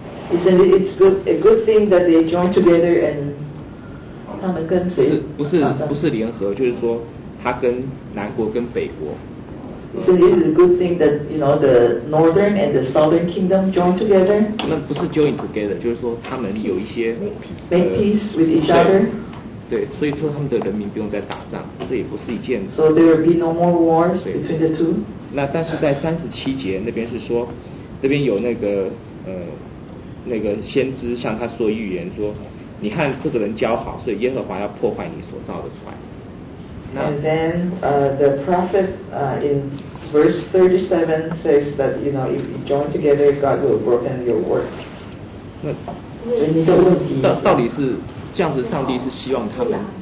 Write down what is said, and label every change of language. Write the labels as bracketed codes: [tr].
[en] Isn't it a good thing that they join together and [zh] 他们跟谁不是联合就是说他跟南国跟北国 [en] Isn't it a good thing that you know the northern and the southern kingdom join together [zh] 那不是 [en] join together [zh] 就是说他们有一些 [en] make peace with each other [zh] 对所以说他们的人民不用再打仗这也不是一件 [en] So there will be no more wars between the two [zh] 那但是在37节那边是说那边有那个先知向他说预言说你看这个人交好所以耶和华要破坏你所造的船 [en] And then the prophet in verse 37 says that you know if you join together God will broken your work [zh] 那所以你的问题是到底是这样子上帝是希望他们